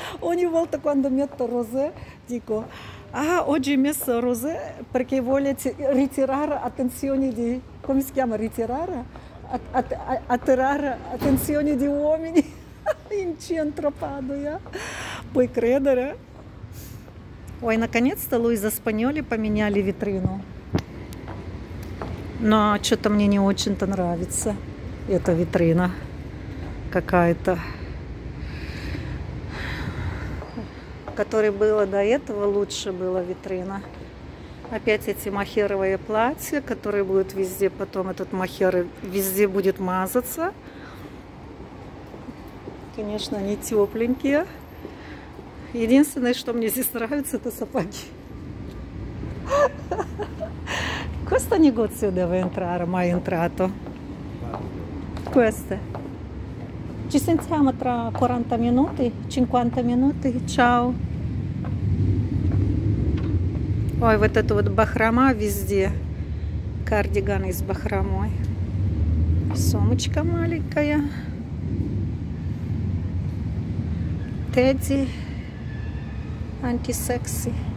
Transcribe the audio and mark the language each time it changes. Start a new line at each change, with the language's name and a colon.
Italian: Ogni volta quando metto rosé dico: ah, oggi ho messo rosé perché voglio ritirare attenzione di... Come si chiama? Ritirare? Attirare attenzione di uomini. In centro Padova. Puoi credere?
Russian: Ой, наконец-то Луиза Спаньоли поменяли витрину. Но что-то мне не очень-то нравится эта витрина какая-то. Которой было до этого, лучше была витрина. Опять эти махеровые платья, которые будут везде, потом этот махер везде будет мазаться. Конечно, они тепленькие. Единственное, что мне здесь нравится, это сапоги.
Italian: Questo negozio deve entrare, mai entrato. Questo. Ci sentiamo tra 40 minuti, 50 minuti. Ciao.
Russian: Ой, вот это вот бахрома везде. Кардиган с бахромой. Сумочка маленькая. Тедди. Антисекси.